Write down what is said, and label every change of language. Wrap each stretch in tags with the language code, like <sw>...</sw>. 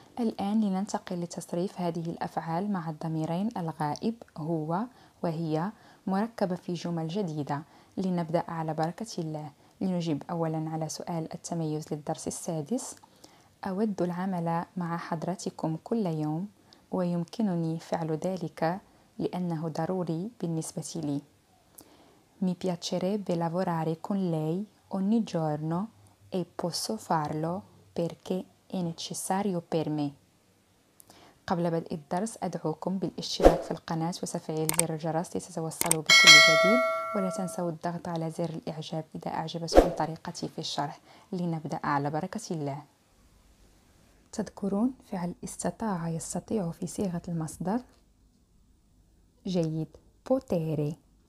<ar>الآن لننتقل لتصريف هذه الأفعال مع الضميرين الغائب هو وهي مركبة في جمل جديدة. لنبدأ على بركة الله. لنجيب أولا على سؤال التميز للدرس السادس: أود العمل مع حضرتكم كل يوم، ويمكنني فعل ذلك لأنه ضروري بالنسبة لي.</ar> <it>Mi piacerebbe lavorare con lei ogni giorno e posso farlo perché è necessario per me.</it> <ar>قبل بدء الدرس أدعوكم بالاشتراك في القناة وتفعيل زر الجرس لتتوصلوا بكل جديد، ولا تنسوا الضغط على زر الإعجاب إذا أعجبتكم طريقتي في الشرح. لنبدأ على بركة الله. تذكرون فعل استطاع يستطيع في صيغة المصدر؟ جيد، potere.</ar>